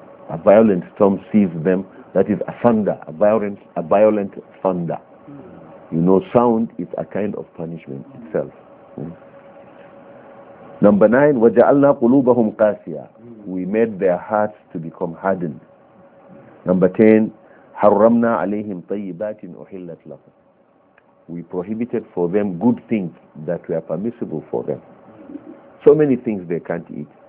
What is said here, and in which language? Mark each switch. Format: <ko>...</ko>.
<en>A violent storm seized them. That is a thunder, a violent thunder. You know, sound is a kind of punishment itself. Number 9,</en> <ar>وَجَعَلْنَا قُلُوبَهُمْ قَاسِيَةً.</ar> <en>We made their hearts to become hardened. Number 10,</en> <ar>حَرَّمْنَا عَلَيْهِمْ طَيِّبَاتٍ أُحِلَّتْ لَهُمْ.</ar> <en>We prohibited for them good things that were permissible for them. So many things they can't eat.</en>